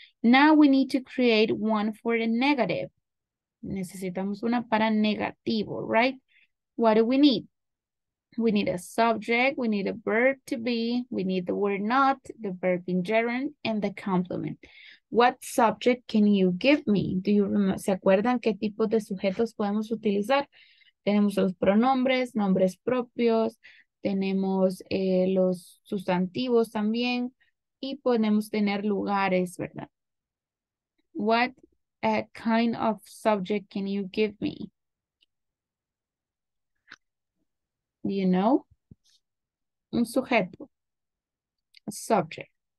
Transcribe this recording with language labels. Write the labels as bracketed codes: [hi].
[en] Now we need to create one for the negative. [es] Necesitamos una para negativo, [en] right? What do we need? We need a subject, we need a verb to be, we need the word not, the verb in gerund, and the complement. What subject can you give me? Do you remember? [es] ¿Se acuerdan qué tipo de sujetos podemos utilizar? Tenemos los pronombres, nombres propios, tenemos los sustantivos también, y podemos tener lugares, ¿verdad? [en] What kind of subject can you give me? Do you know? [es] Un sujeto. [en] A subject.